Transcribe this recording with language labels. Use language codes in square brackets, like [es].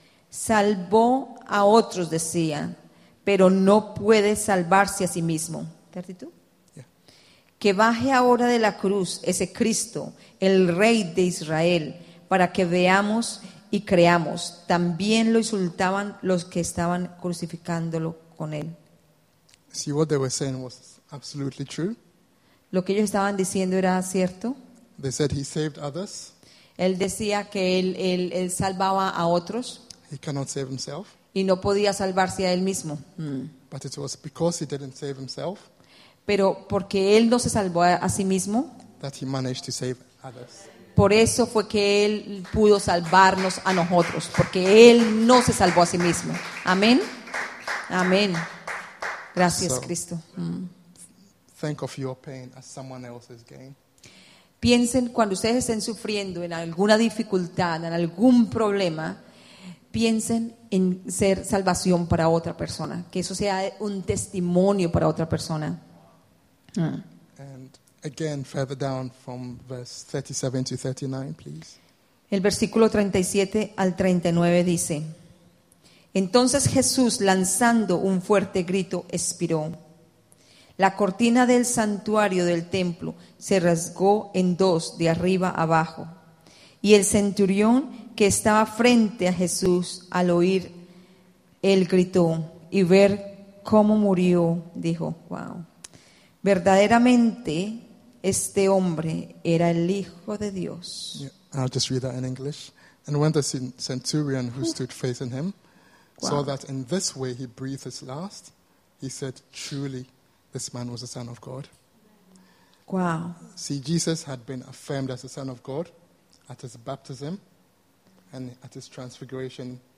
[es] Salvó a otros, decían, pero no puede salvarse a sí mismo. ¿Tertito? [en] Yeah. [es] Que baje ahora de la cruz ese Cristo, el Rey de Israel, para que veamos y creamos. También lo insultaban los que estaban crucificándolo con él. [en] See, what they were saying was absolutely true. [es] Lo que ellos estaban diciendo era cierto. [en] They said he saved others. [es] Él decía que él salvaba a otros. [en] He cannot save himself. [es] Y no podía salvarse a él mismo. [en] But it was because he didn't save himself. [es] Pero porque él no se salvó a sí mismo. [en] That he managed to save others. [es] Por eso fue que él pudo salvarnos a nosotros, porque él no se salvó a sí mismo. Amén. Amén. Gracias, [en] so, [es] Cristo. [en] Think of your pain as someone else's gain. [es] Piensen cuando ustedes estén sufriendo en alguna dificultad, en algún problema, piensen en ser salvación para otra persona, que eso sea un testimonio para otra persona. [en] And again, further down from verse 37 to 39, please. [es] El versículo 37 al 39 dice: entonces Jesús, lanzando un fuerte grito, expiró. La cortina del santuario del templo se rasgó en dos de arriba abajo. Y el centurión que estaba frente a Jesús al oír el grito y ver cómo murió, dijo: wow, verdaderamente este hombre era el Hijo de Dios. [en] Yeah, I'll just read that in English. And when the centurion who stood facing him saw that in this way he breathed his last, he said, truly, this man was the Son of God. Wow. See, Jesus had been affirmed as the Son of God at his baptism and at his transfiguration